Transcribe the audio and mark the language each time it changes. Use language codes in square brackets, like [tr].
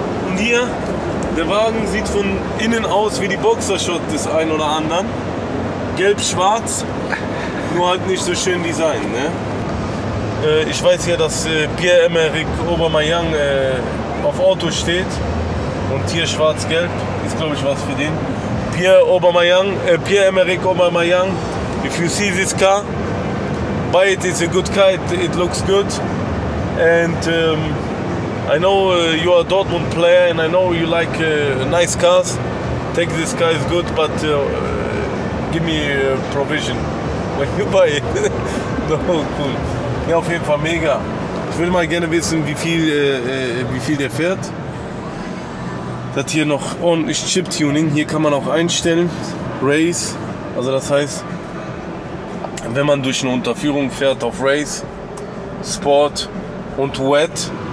[de] Und hier, der Wagen sieht von innen aus wie die Boxershot des einen oder anderen. Gelb-schwarz, nur halt nicht so schön designt. Ne? Ich weiß ja, dass Pierre-Emerick Aubameyang auf Auto steht. Und hier schwarz-gelb, ist glaube ich was für den. [en] Pierre-Emerick Aubameyang, if you see this car, buy it, it's a good car, it looks good. And I know you are a Dortmund player and I know you like nice cars. Take this car, it's good, but give me provision when you buy it. No, cool. [de] Ja, auf jeden Fall mega. Ich würde mal gerne wissen, wie viel der fährt. Das hier noch ordentlich Chip-Tuning. Hier kann man auch einstellen. Race. Also das heißt, wenn man durch eine Unterführung fährt auf Race, Sport und Wet.